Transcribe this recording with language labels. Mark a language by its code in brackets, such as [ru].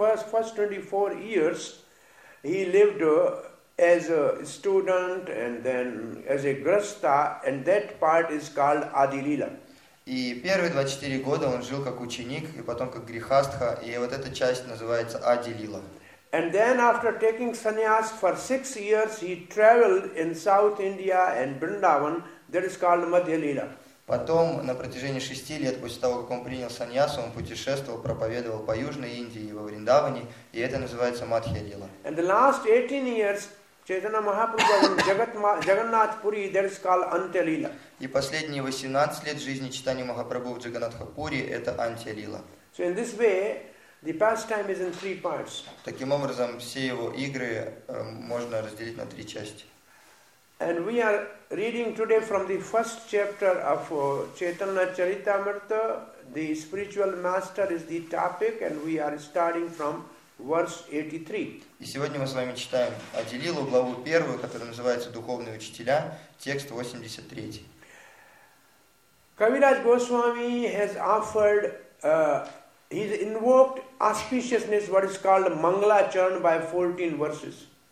[en] First 24 years he lived as a student and then as a grasta, and that part is called Adilila. [ru] И первые 24 года он жил как ученик и потом как грихастха, и вот эта часть называется Адилила. [en] And then after taking sannyas for 6 years, he traveled in South India and Vrindavan, that is called Madhyalila. [ru] Потом на протяжении 6 лет после того, как он принял саньяс, он путешествовал, проповедовал по Южной Индии и во Вриндаване, и это называется Мадхья-лила. [en] And the last 18 years [ru] Чайтана Махапрабху в Джаганнатхапури, [en] there is called [ru] Антилила. И последние 18 лет жизни Чайтани Махапрабху в Джаганнатхапури – это Антилила. [en] So in this way, the pastime is in three parts. [ru] Таким образом, все его игры можно разделить на три части. [en] And we are reading today from the first chapter of Chaitanya Charitamrita. The spiritual master is the topic, and we are starting from verse 83. [ru] И сегодня мы с вами читаем Антилилу, главу первую, которая называется «Духовные учителя», текст 83. [en] Kaviraj Goswami has offered, he's invoked auspiciousness, what is called Mangalacharan, by 14 verses.